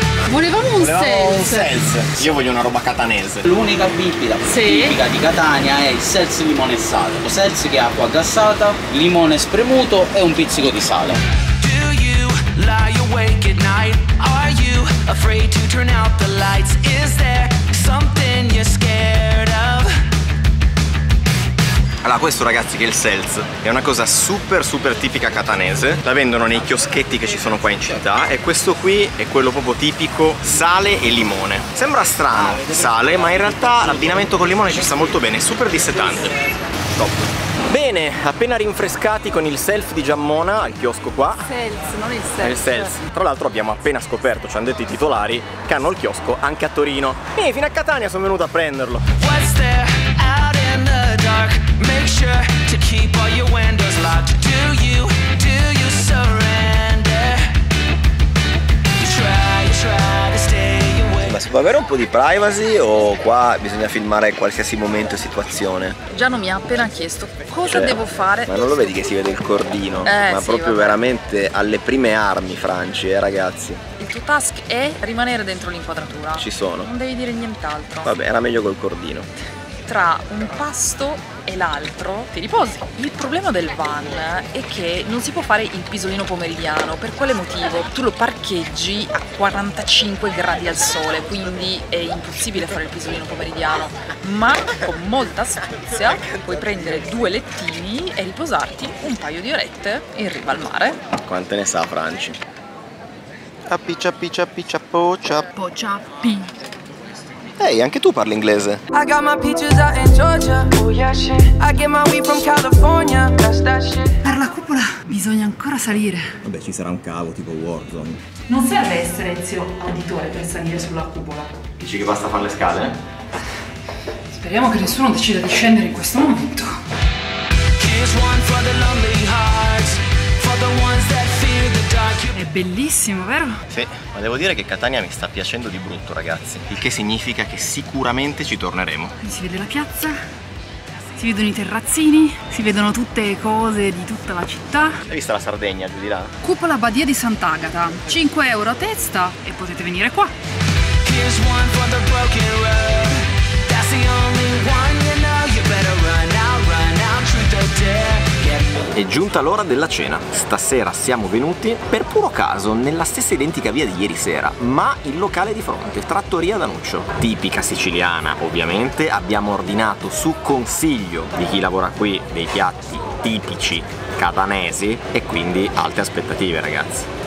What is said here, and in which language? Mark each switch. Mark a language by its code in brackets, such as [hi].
[it] Volevamo un sels. Io voglio una roba catanese. L'unica bibita tipica di Catania è il sels limone e sale. O sels che è acqua gassata, limone spremuto e un pizzico di sale. [en] Do you lie awake at night? Are you afraid to turn out the lights? Is there something you're scared of? [it] Allora, questo, ragazzi, che è il sels, è una cosa super super tipica catanese. La vendono nei chioschetti che ci sono qua in città. E questo qui è quello proprio tipico, sale e limone. Sembra strano, sale, ma in realtà l'abbinamento con limone ci sta molto bene, è super dissetante. Top. Bene, appena rinfrescati con il self di Giammona al chiosco qua. Il self. Tra l'altro abbiamo appena scoperto, ci hanno detto i titolari, che hanno il chiosco anche a Torino. E fino a Catania sono venuto a prenderlo. [en] What's there out in the dark? Make sure to keep all your windows locked. Do you surrender? You try to stay away. [it] Ma si può avere un po' di privacy o qua bisogna filmare qualsiasi momento e situazione? Giano mi ha appena chiesto cosa devo fare. Ma non lo vedi che si vede il cordino? Veramente alle prime armi, Franci, ragazzi. Il tuo task è rimanere dentro l'inquadratura. Ci sono. Non devi dire nient'altro. Vabbè, era meglio col cordino. Tra un pasto e l'altro ti riposi. Il problema del van è che non si può fare il pisolino pomeridiano. Per quale motivo? Tu lo parcheggi a 45 gradi al sole, quindi è impossibile fare il pisolino pomeridiano. Ma con molta astuzia puoi prendere due lettini e riposarti un paio di orette in riva al mare. Quante ne sa, Franci? Appicciappicciappicciappocciappi. Ehi, anche tu parli inglese. [en] I got my peaches out in Georgia. Oh yeah, shit. I get my weed from California. That's that shit. [it] Per la cupola bisogna ancora salire. Vabbè, ci sarà un cavo tipo Warzone. Non serve essere zio auditore per salire sulla cupola. Dici che basta fare le scale? Speriamo che nessuno decida di scendere in questo momento. [en] Here's one for the lonely hearts, for the ones that fear the dark. [it] È bellissimo, vero? Sì. Ma devo dire che Catania mi sta piacendo di brutto, ragazzi. Il che significa che sicuramente ci torneremo. Si vede la piazza, si vedono i terrazzini, si vedono tutte le cose di tutta la città. Hai vista la Sardegna giù di là? Cupola Badia di Sant'Agata. 5 euro a testa e potete venire qua. [en] Here's one for the broken road. That's the only one you know. You better run, I'll run. [it] È giunta l'ora della cena. Stasera siamo venuti, per puro caso, nella stessa identica via di ieri sera, ma il locale di fronte, Trattoria Danuccio. Tipica siciliana, ovviamente. Abbiamo ordinato, su consiglio di chi lavora qui, dei piatti tipici catanesi e quindi alte aspettative, ragazzi.